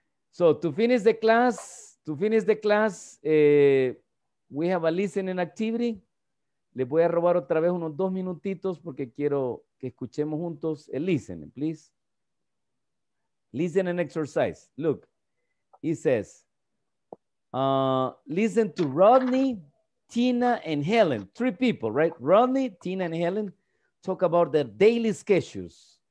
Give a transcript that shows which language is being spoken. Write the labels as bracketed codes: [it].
[en] So, to finish the class, we have a listening activity. [es] Les voy a robar otra vez unos dos minutitos porque quiero que escuchemos juntos el listening, please. [en] Listening exercise. Look, it says, listen to Rodney, Tina, and Helen. Three people, right? Rodney, Tina, and Helen talk about their daily schedules.